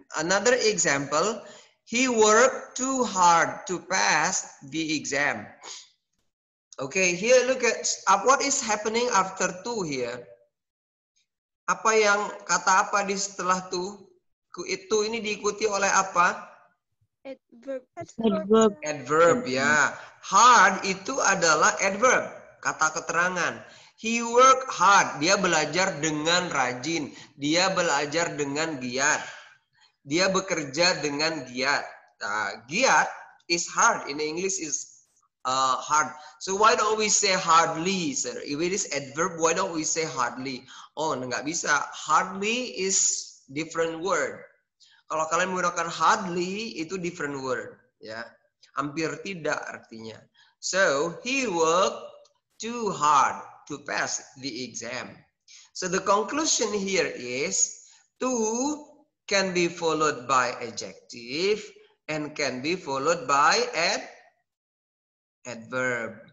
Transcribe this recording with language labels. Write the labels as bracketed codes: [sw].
[en] Another example, he worked too hard to pass the exam. Okay, here look at what is happening after to here. [id] Apa yang kata apa di setelah to? Itu ini diikuti oleh apa? [en] Adverb. Adverb, ya. [id] Hard itu adalah adverb, kata keterangan. [en] He work hard, [id] dia belajar dengan rajin. Dia belajar dengan giat. Dia bekerja dengan giat. [en] Giat is hard, in English is hard. So why don't we say hardly, sir? If it is adverb, why don't we say hardly? Oh, [id] nggak bisa. [en] Hardly is different word. Kalau kalian menggunakan hardly, itu different word. [id] Ya, hampir tidak artinya. [en] So, he worked too hard to pass the exam. So, the conclusion here is, to can be followed by adjective and can be followed by adverb.